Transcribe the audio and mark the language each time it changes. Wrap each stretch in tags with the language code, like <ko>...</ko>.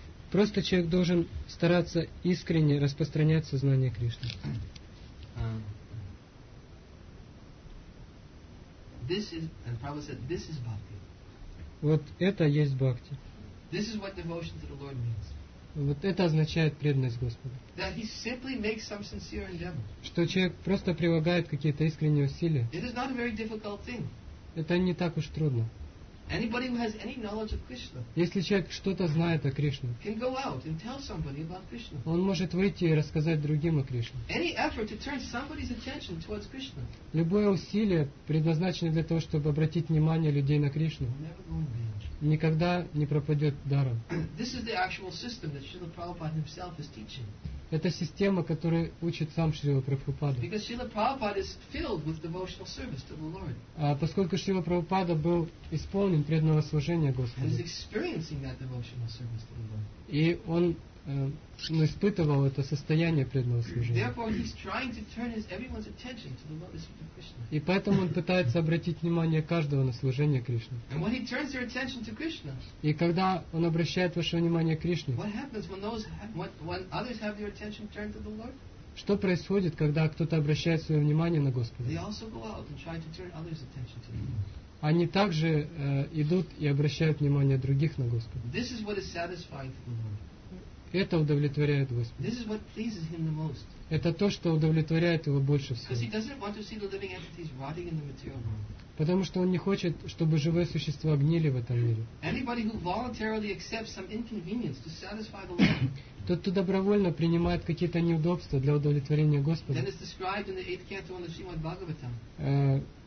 <ru>Просто человек должен стараться искренне распространять сознание Кришны.</ru> <en>This is, and Prabhupada said, this is bhakti.</en> <ru>Вот это есть бхакти.</ru> <en>This is what devotion to the Lord means.</en> <ru>Вот это означает преданность Господу.</ru> <en>That he simply makes some sincere endeavor.</en> <ru>Что человек просто прилагает какие-то искренние усилия.</ru> <en>It is not a very difficult thing.</en> <ru>Это не так уж трудно.</ru> <en>Anybody who has any knowledge of Krishna.</en> <ru>Если человек что-то знает о Кришне.</ru> <en>Can go out and tell somebody about Krishna.</en> <ru>Он может выйти и рассказать другим о Кришне.</ru> <en>Any effort to turn somebody's attention towards Krishna.</en> <ru>Любое усилие, предназначенное для того, чтобы обратить внимание людей на Кришну, никогда не пропадет даром.</ru> <en>This is the actual system that Srila Prabhupada himself is teaching.</en> <ru>Это система, которая учит сам Шрила Прабхупада.</ru> <en>Because Srila Prabhupada is filled with devotional service to the Lord.</en> <ru>Поскольку Шрила Прабхупада был исполнен преданного служения Господу.</ru> <en>And is experiencing that devotional service to the Lord.</en> <ru>И он он испытывал это состояние преданного служения.</ru> <en>Therefore, he's trying to turn everyone's attention to the lotus feet of Krishna.</en> <ru>И поэтому он пытается обратить внимание каждого на служение Кришне.</ru> <en>And when he turns their attention to Krishna,</en> <ru>и когда он обращает ваше внимание к Кришне,</ru> <en>what happens when those when others have their attention turned to the Lord?</en> <ru>Что происходит, когда кто-то обращает свое внимание на Господа?</ru> <en>They also go out and try to turn others' attention to Him.</en> <ru>Они также идут и обращают внимание других на Господа.</ru> <en>This is what is satisfying to the Lord.</en> <ru>Это удовлетворяет Господа.</ru> <en>This is what pleases Him the most.</en> <ru>Это то, что удовлетворяет Его больше всего.</ru> <en>Because He doesn't want to see the living entities rotting in the material world.</en> <ru>Потому что Он не хочет, чтобы живые существа гнили в этом мире.</ru> <en>Anybody who voluntarily accepts some inconvenience to satisfy the Lord.</en> <ru>Тот, кто добровольно принимает какие-то неудобства для удовлетворения Господа.</ru> <en>Then it's described in the 8th canto of the Srimad Bhagavatam.</en>